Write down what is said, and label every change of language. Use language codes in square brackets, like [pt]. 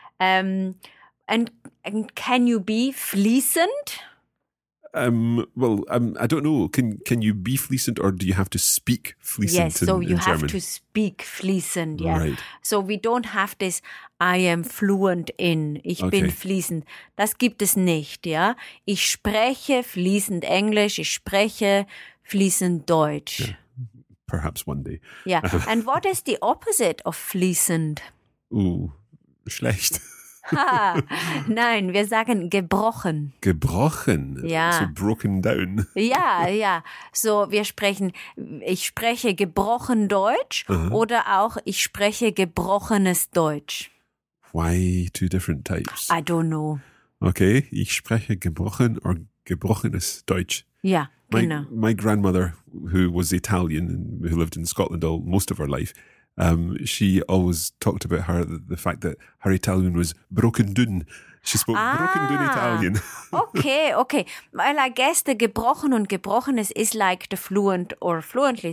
[en] And can you be fließend? I don't know. Can you be fließend or do you have to speak fließend in German? Yes, so you have to speak fließend, yeah. Right. So we don't have this, I am fluent in, bin fließend. [de] Das gibt es nicht, ja. Ich spreche fließend Englisch, ich spreche fließend Deutsch. [en] Yeah. Perhaps one day. Yeah. And what is the opposite of fließend? [de] Ooh, schlecht. Ha. Nein, wir sagen gebrochen. Gebrochen? Ja. [en] So broken down. [de] Ja, ja. So, ich spreche gebrochen Deutsch oder auch ich spreche gebrochenes Deutsch. [en] Why two different types? I don't know. Okay, [de] ich spreche gebrochen or gebrochenes Deutsch. Ja, [en] My grandmother, who was Italian and who lived in Scotland most of her life, she always talked about the fact that her Italian was broken dun. She spoke broken dun Italian. Okay. Well, I guess the gebrochen und gebrochenes is like the fluent or fluently.